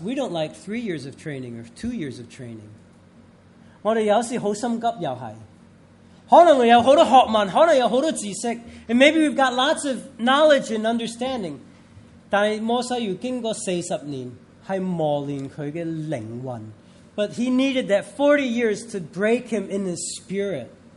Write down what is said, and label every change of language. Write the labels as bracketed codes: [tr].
[en] We don't like 3 years of training or 2 years of training. [zh] 我们有时很心急又是。可能有很多学问，可能有很多知识, [en] and maybe we've got lots of knowledge and understanding. [zh] 但是摩西要经过40年，是磨练他的灵魂。 [en] But he needed that 40 years to break him in his spirit.